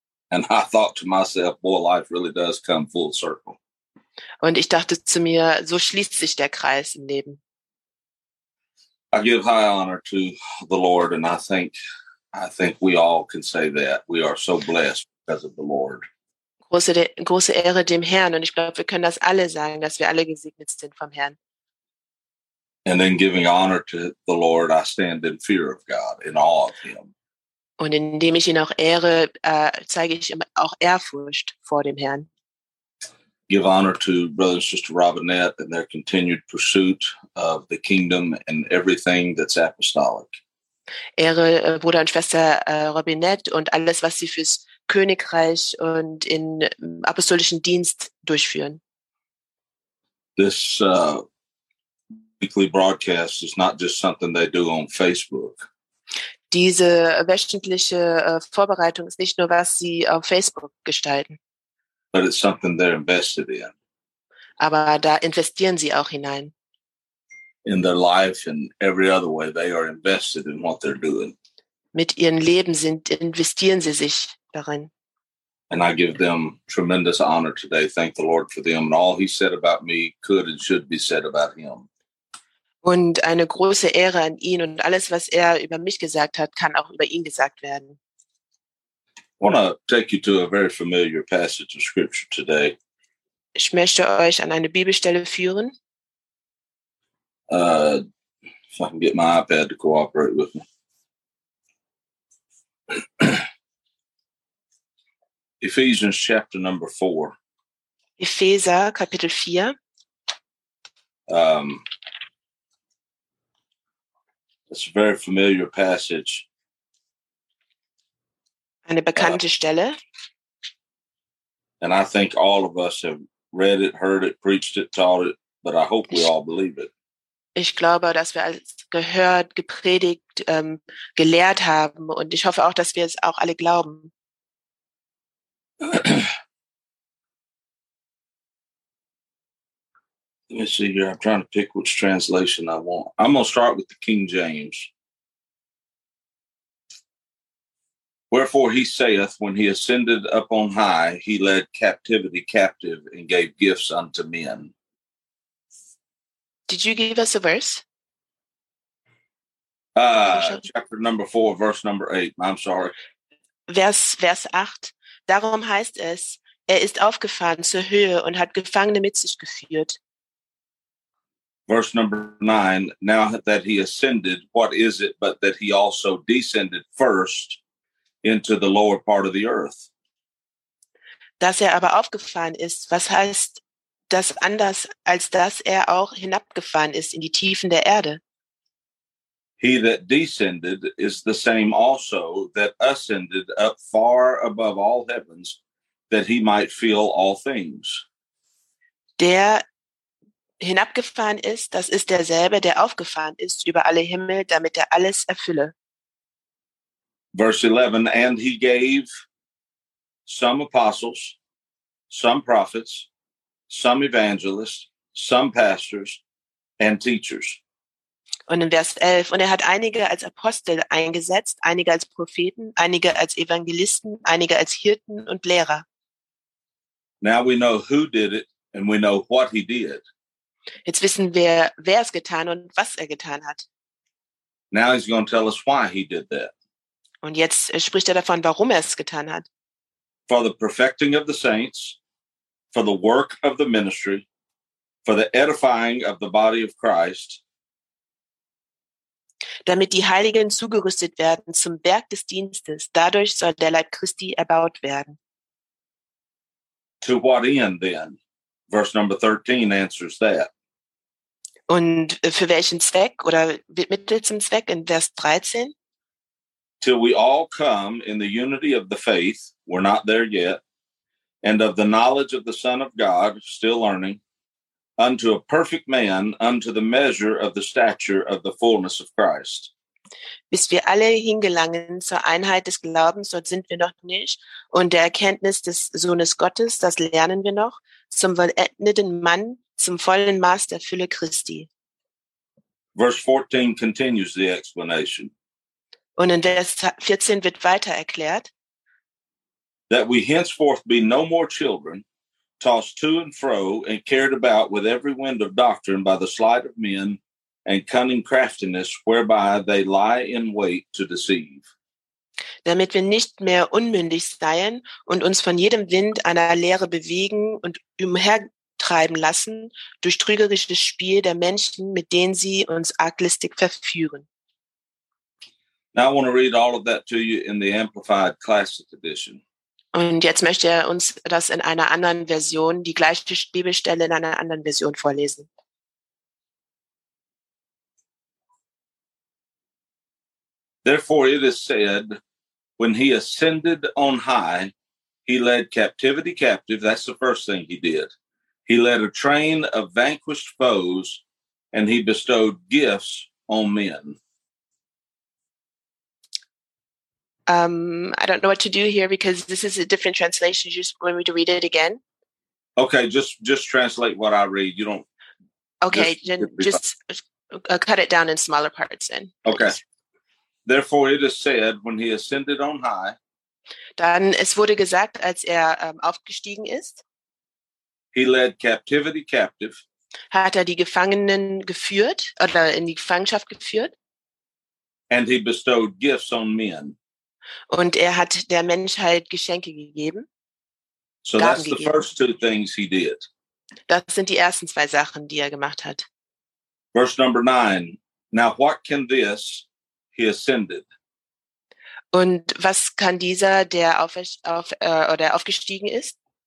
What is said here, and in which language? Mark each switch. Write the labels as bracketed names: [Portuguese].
[English] And I thought to myself, boy, life really does come full circle. [German] Und ich dachte zu mir, so schließt sich der Kreis im Leben. [English] I give high honor to the Lord, and I think we all can say that. We are so blessed because of the Lord. [German] Große Ehre dem Herrn, und ich glaube, wir können das alle sagen, dass wir alle gesegnet sind vom Herrn. [English] And in giving honor to the Lord, I stand in fear of God, in awe of him. [German] Und indem ich ihn auch ehre, zeige ich ihm auch Ehrfurcht vor dem Herrn. [English] Give honor to Brother and Sister Robinette and their continued pursuit of the kingdom and everything that's apostolic. [German] Ehre Bruder und Schwester Robinette und alles, was sie fürs Königreich und in apostolischen Dienst durchführen. [English] This weekly broadcast is not just something they do on Facebook. [German] Diese wöchentliche Vorbereitung ist nicht nur, was sie auf Facebook gestalten. [English] But it's something they're invested in. [German] Aber da investieren sie auch hinein. [English] In their life and every other way, they are invested in what they're doing. [German] Mit ihrem Leben investieren sie sich darin. [English] And I give them tremendous honor today. Thank the Lord for them. And all he said about me could and should be said about him. [German] Und eine große Ehre an ihn, und alles, was er über mich gesagt hat, kann auch über ihn gesagt werden. [English] I want to take you to a very familiar passage of scripture today. [German] Ich möchte euch an eine Bibelstelle führen. [English] If I can get my iPad to cooperate with me. Ephesians chapter number 4. [German] Epheser Kapitel 4. [English] It's a very familiar passage. [German] Eine bekannte Stelle. [English] And I think all of us have read it, heard it, preached it, taught it, but I hope we all believe it. [German] Ich glaube, dass wir es gehört, gepredigt, gelehrt haben, und ich hoffe auch, dass wir es auch alle glauben. [English] Let me see here. I'm trying to pick which translation I want. I'm going to start with the King James. Wherefore he saith, when he ascended up on high, he led captivity captive and gave gifts unto men. Did you give us a verse? Chapter number 4, verse number 8. I'm sorry. [German] Vers 8. Darum heißt es, er ist aufgefahren zur Höhe und hat Gefangene mit sich geführt. [English] Verse number 9, now that he ascended, what is it but that he also descended first into the lower part of the earth? [German] Dass er aber aufgefahren ist, was heißt das anders, als dass er auch hinabgefahren ist in die Tiefen der Erde? [English] He that descended is the same also that ascended up far above all heavens, that he might fill all things. [German] Der hinabgefahren ist, das ist derselbe, der aufgefahren ist über alle Himmel, damit er alles erfülle. [English] Verse 11, and he gave some apostles, some prophets, some evangelists, some pastors and teachers. [German] Und in Vers 11, und er hat einige als Apostel eingesetzt, einige als Propheten, einige als Evangelisten, einige als Hirten und Lehrer. [English] Now we know who did it and we know what he did. [German] Jetzt wissen wir, wer es getan und was er getan hat. [English] Now he's going to tell us why he did that. [German] Und jetzt spricht er davon, warum er es getan hat. [English] For the perfecting of the saints, for the work of the ministry, for the edifying of the body of Christ. [German] Damit die Heiligen zugerüstet werden zum Werk des Dienstes, dadurch soll der Leib Christi erbaut werden. [English] To what end then? Verse number 13 answers that. [German] Und für welchen Zweck oder mittel zum Zweck in Vers 13? [English] Till we all come in the unity of the faith, we're not there yet, and of the knowledge of the Son of God, still learning, unto a perfect man, unto the measure of the stature of the fullness of Christ. [German] Bis wir alle hingelangen zur Einheit des Glaubens, dort sind wir noch nicht, und der Erkenntnis des Sohnes Gottes, das lernen wir noch, zum vollendeten Mann, zum vollen Maß der Fülle Christi. [English] Verse 14 continues the explanation. [German] Und in Vers 14 wird weiter erklärt, [English] that we henceforth be no more children, tossed to and fro and carried about with every wind of doctrine by the sleight of men and cunning craftiness, whereby they lie in wait to deceive. [German] Damit wir nicht mehr unmündig seien und uns von jedem Wind einer Lehre bewegen und umhertreiben lassen durch trügerisches Spiel der Menschen, mit denen sie uns arglistig verführen. [English] Now I want to read all of that to you in the Amplified Classic Edition. [German] Und jetzt möchte er uns das in einer anderen Version, die gleiche Bibelstelle in einer anderen Version vorlesen. [English] Therefore it is said, when he ascended on high, he led captivity captive. That's the first thing he did. He led a train of vanquished foes, and he bestowed gifts on men. I don't know what to do here because this is a different translation. You just want me to read it again? Okay, just translate what I read. You don't. Okay, just cut it down in smaller parts then. Okay. Therefore, it is said when he ascended on high. [German] Dann es wurde gesagt, als er aufgestiegen ist. [English] He led captivity captive. [German] Hat er die Gefangenen geführt oder in die Gefangenschaft geführt? [English] And he bestowed gifts on men. [German] Und er hat der Menschheit Geschenke gegeben. [English] So that's the first two things he did. [German] Das sind die ersten zwei Sachen, die er gemacht hat. [English] Verse number 9. Now what can this, he ascended? [German] Und was kann dieser, der aufgestiegen ist?